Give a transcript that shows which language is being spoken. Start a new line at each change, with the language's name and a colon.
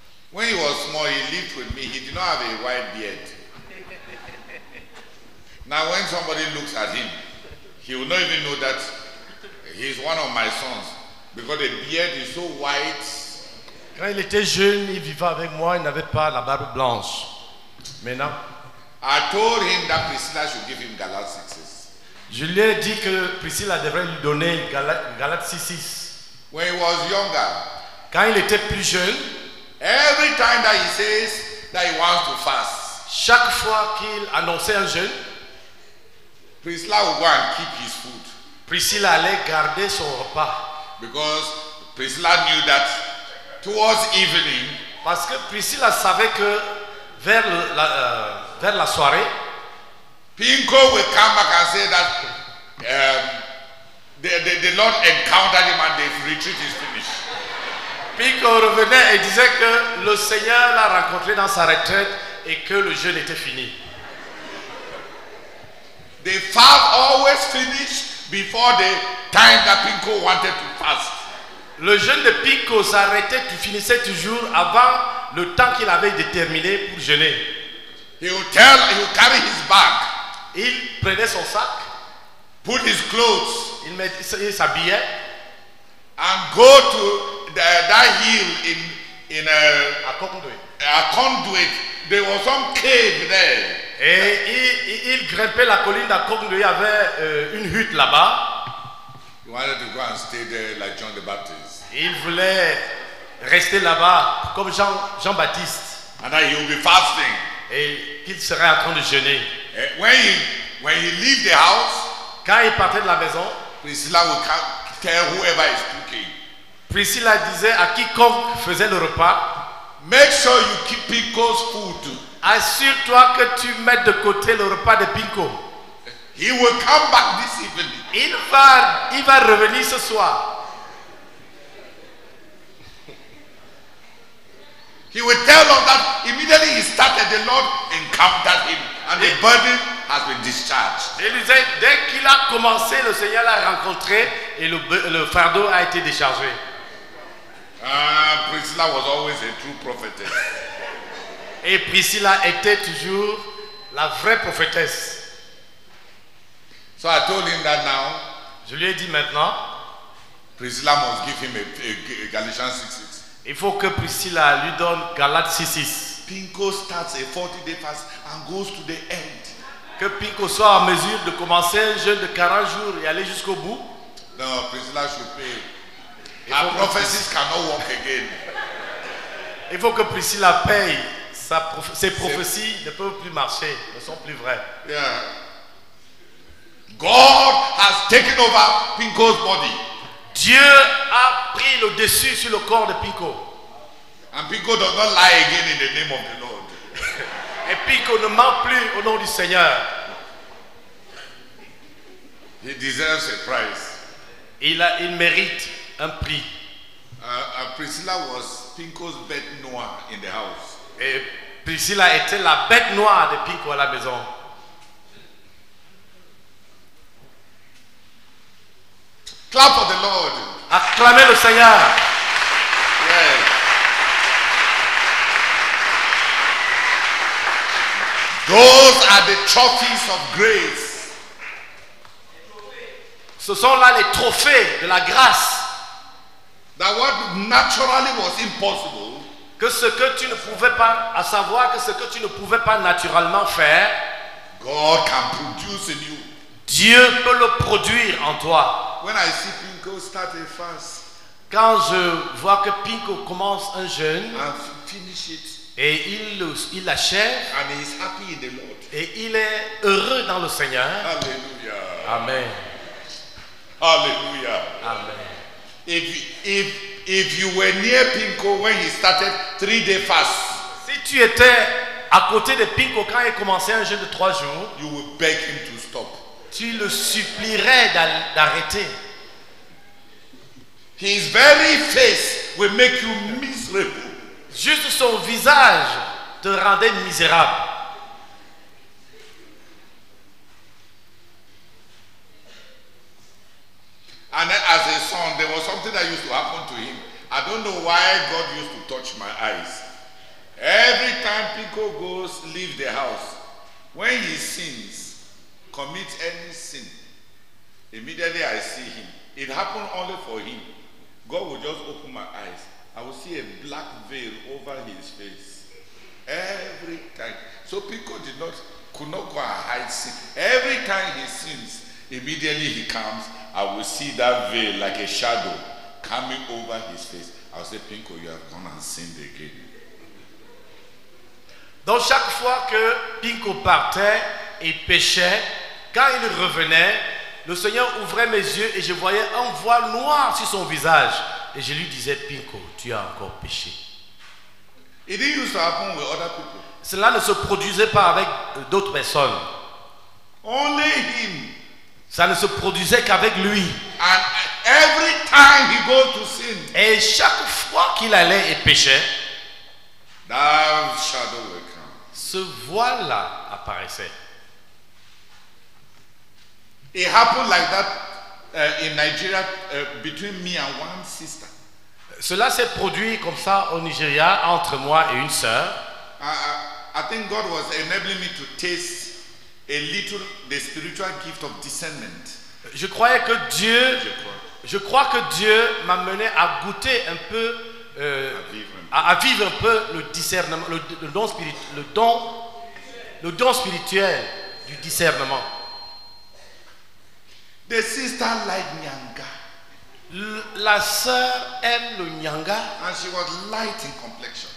English: When he was small, he lived with me. He did not have a white beard. Now, when somebody looks at him, he will not even know that he is one of my sons. Because the beard is so white.
French: Quand il était jeune, il vivait avec moi, il n'avait pas la barbe blanche. Maintenant,
English: I told him that Priscilla should give him Galaxy 6.
French: Je lui ai dit que Priscilla devrait lui donner Galaxy 6.
English: When he was younger,
French: quand il était plus jeune,
English: every time that he says that he wants to fast,
French: chaque fois qu'il annonçait un jeûne,
English: Priscilla would go and keep his food.
French: Priscilla allait garder son repas.
English: Because Priscilla knew that towards evening,
French: parce que Priscilla savait que vers la soirée,
English: Pinko would come back and say that the Lord encountered him and the retreat is finished.
French: Pinko revenait et disait que le Seigneur l'a rencontré dans sa retraite et que le jeûne était fini.
English: The fast always finished before the time that Pinko wanted to fast.
French: Le jeûne de Pinko s'arrêtait, tu finissais toujours avant le temps qu'il avait déterminé pour jeûner.
English: He would carry his bag.
French: Il prenait son sac.
English: Put his clothes.
French: Il s'habillait.
English: And go to that hill in a conduit. A conduit. There was some cave there.
French: Et il grimpait la colline d'Akongo, il y avait une hutte là-bas.
English: He wanted to go and stay there like John the Baptist.
French: Il voulait rester là-bas comme Jean-Baptiste.
English: And that he would be fasting.
French: Et qu'il serait en train de jeûner.
English: When he leave the house,
French: quand il partait de la maison,
English: Priscilla would come, tell whoever is cooking.
French: Priscilla disait à quiconque faisait le repas,
English: make sure you keep Pico's food.
French: Assure-toi que tu mettes de côté le repas de Pinko.
English: He will come back this evening.
French: Il va revenir ce soir.
English: He will tell us that immediately he started, the Lord encountered him and the burden has been discharged.
French: Il disait, dès qu'il a commencé, le Seigneur l'a rencontré et le fardeau a été déchargé.
English: Priscilla was always a true prophetess.
French: Et Priscilla était toujours la vraie prophétesse.
English: So I told him that now,
French: je lui ai dit maintenant,
English: Priscilla must give him a Galatians 6:6.
French: Il faut que Priscilla lui donne Galatians 6:6.
English: Pinko starts a 40-day fast and goes to the end.
French: Que Pinko soit en mesure de commencer un jeûne de 40 jours et aller jusqu'au bout.
English: No, Priscilla should pay. Her prophecies cannot work again.
French: Il faut que Priscilla paye. Ses prophéties ne peuvent plus marcher, ne sont plus vraies.
English: Yeah. God has taken over Pinko's body.
French: Dieu a pris le dessus sur le corps de Pinko.
English: And Pinko does not lie again in the name of the Lord.
French: Et Pinko ne ment plus au nom du Seigneur.
English: He deserves a prize.
French: Il mérite un prix.
English: Priscilla was Pinko's bête noire in the house.
French: Et Priscilla était la bête noire de Pinko à la maison.
English: Clap for the Lord.
French: Acclamez le Seigneur.
English: Yes. Those are the trophies of grace.
French: Ce sont là les trophées de la grâce.
English: That what naturally was impossible.
French: Que ce que tu ne pouvais pas, à savoir que ce que tu ne pouvais pas naturellement faire,
English: God can produce in you.
French: Dieu peut le produire en toi.
English: When I see Pinko start a fast,
French: quand je vois que Pinko commence un jeûne
English: and finish it,
French: et il l'achève,
English: and he is happy in the Lord,
French: et il est heureux dans le Seigneur. Alléluia. Amen. Alléluia. Amen.
English: If you were near Pinko when he started 3-day fast,
French: si tu étais à côté de Pinko quand il commençait un jeûne de 3 jours,
English: you would beg him to stop.
French: Tu le supplierais d'arrêter.
English: His very face will make you miserable.
French: Juste son visage te rendait misérable.
English: And as a son, there was something that used to happen to him. I don't know why God used to touch my eyes. Every time Pinko goes leave the house, when he sins, commit any sin, immediately I see him. It happened only for him. God will just open my eyes. I will see a black veil over his face. Every time. So Pinko could not go and hide sin. Every time he sins, immediately he comes, I will see that veil like a shadow coming over his face. I will say, Pinko, you have gone and sinned again.
French: Donc chaque fois que Pinko partait et péchait, quand il revenait, le Seigneur ouvrait mes yeux et je voyais un voile noir sur son visage. Et je lui disais, Pinko, tu as encore péché.
English: It didn't used to happen with other people.
French: Cela ne se produisait pas avec d'autres personnes.
English: Only him.
French: Ça ne se produisait qu'avec lui.
English: And every time he goes to sin,
French: et chaque fois qu'il allait et péchait,
English: that shadow will come.
French: Ce voile-là apparaissait.
English: It happened like that in Nigeria between me and one sister.
French: Cela s'est produit comme ça au Nigeria entre moi et une sœur.
English: I think God was enabling me to taste a little the spiritual gift of discernment.
French: Je crois que Dieu m'a mené à goûter un peu à vivre un peu le discernement, le don spirituel du discernement.
English: The sister liked Nyanga.
French: La sœur aime le Nyanga.
English: And she was light in complexion.